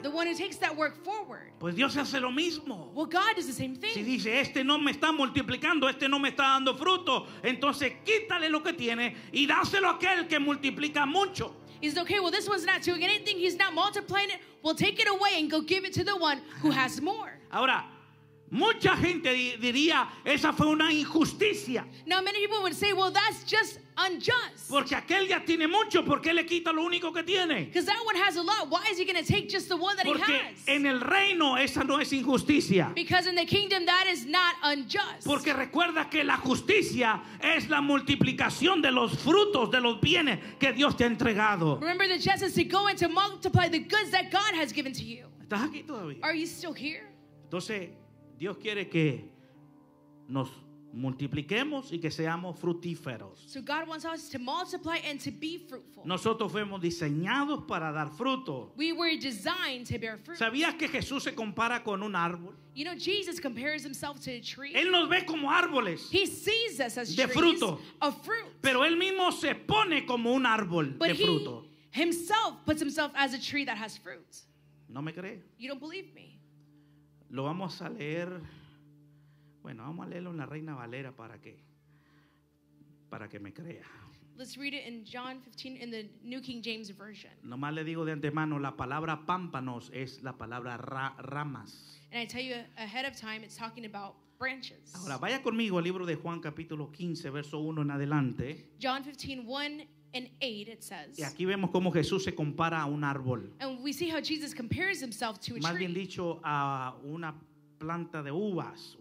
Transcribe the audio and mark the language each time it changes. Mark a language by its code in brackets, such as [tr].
[en] The one who takes that work forward. [es] Pues Dios hace lo mismo. [en] Well, God does the same thing. [es] Si dice, este no me está multiplicando, este no me está dando fruto, entonces quítale lo que tiene y dáselo a aquel que multiplica mucho. [en] He says, okay, well, this one's not doing anything. He's not multiplying it. We'll take it away and go give it to the one who has more. [es] Ahora, Mucha gente diría, esa fue una injusticia. [en] Now many people would say, well, that's just unjust. [es] Porque aquel ya tiene mucho, ¿por qué le quita lo único que tiene? [en] Because that one has a lot. Why is he going to take just the one that [es] Porque [en] he has? [es] Porque en el reino esa no es injusticia. [en] Because in the kingdom that is not unjust. [es] Porque recuerda que la justicia es la multiplicación de los frutos de los bienes que Dios te ha entregado. [en] Remember that justice is to go and to multiply the goods that God has given to you. [es] ¿Estás aquí todavía? [en] Are you still here? [es] Entonces Dios quiere que nos multipliquemos y que seamos frutíferos. [en] So God wants us to multiply and to be fruitful. [es] Nosotros fuimos diseñados para dar fruto. [en] We were designed to bear fruit. [es] ¿Sabías que Jesús se compara con un árbol? [en] You know, Jesus compares himself to a tree. [es] Él nos ve como árboles. [en] He sees us as [es] de [en] trees [es] fruto. [en] Of fruit. [es] Pero él mismo se pone como un árbol [en] But [es] de fruto. [en] He himself puts himself as a tree that has fruit. [es] ¿No me cree? [en] You don't believe me. [es] Lo vamos a leer, bueno, vamos a leerlo en la Reina Valera para que me crea. [en] Let's read it in John 15 in the New King James Version. [es] Nomás le digo de antemano, la palabra pámpanos es la palabra ramas. [en] And I tell you ahead of time, it's talking about branches. [es] Ahora vaya conmigo al libro de Juan capítulo 15, verso 1 en adelante. [en] John 15, 1 and 8, it says. [es] Y aquí vemos cómo Jesús se compara a un árbol. [en] And we see how Jesus compares himself to a tree. [es] Más bien dicho, a una planta de uvas.